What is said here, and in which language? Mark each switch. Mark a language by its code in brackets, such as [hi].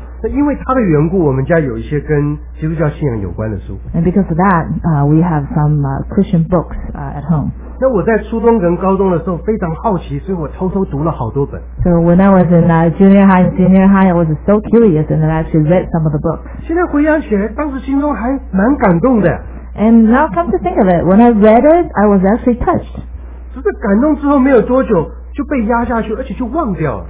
[zh] 那因为她的缘故，我们家有一些跟基督教信仰有关的书。 [en] And because of that, we have some Christian books at home. [zh] 那我在初中跟高中的时候非常好奇，所以我偷偷读了好多本。 [en] So when I was in junior high, I was so curious and I actually read some of the books. [zh] 现在回想起来，当时心中还蛮感动的。 [en] And now come to think of it, when I read it, I was actually touched. [zh] 只是感动之后没有多久就被压下去，而且就忘掉了。